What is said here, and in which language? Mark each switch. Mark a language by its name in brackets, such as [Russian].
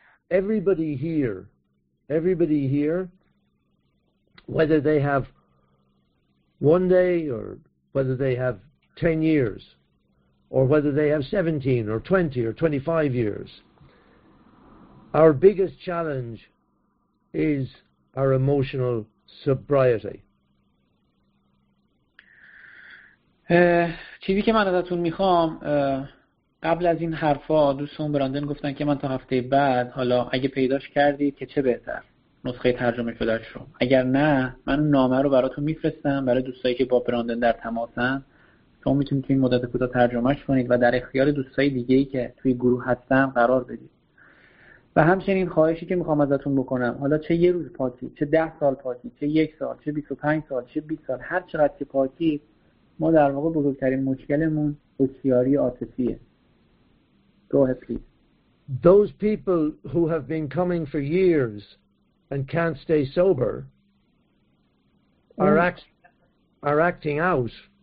[English] Everybody here, whether they have one day or whether they have 10 years, or whether they have 17 or 20 or 25 years, our biggest challenge is our emotional sobriety. [Persian] چیزی که من ازتون میخوام قبل از این حرفا دوستان براندن گفتن که من تا هفته بعد حالا اگه پیداش کردید که چه بهتر نسخه ترجمه شده شو. اگر نه من نامه رو براتون میفرستم برای دوستایی که با براندن در تماسن. شما میتونید توی این مدت کوتاه ترجمهش کنید و در اختیار دوستای دیگه‌ای که توی گروه هستن قرار بدید. و همچنین خواهشی که میخوام ازتون بکنم، حالا چه یه روز پاتی، چه 10 سال پاتی، چه 1 سال، چه 25 سال، چه 20 سال، هر چقدر که پاتی، ما در واقع بزرگترین مشکلمون هوشیاری عاطفیه. [English] Go ahead, please. Those people who have been coming for years and can't stay sober are acting out.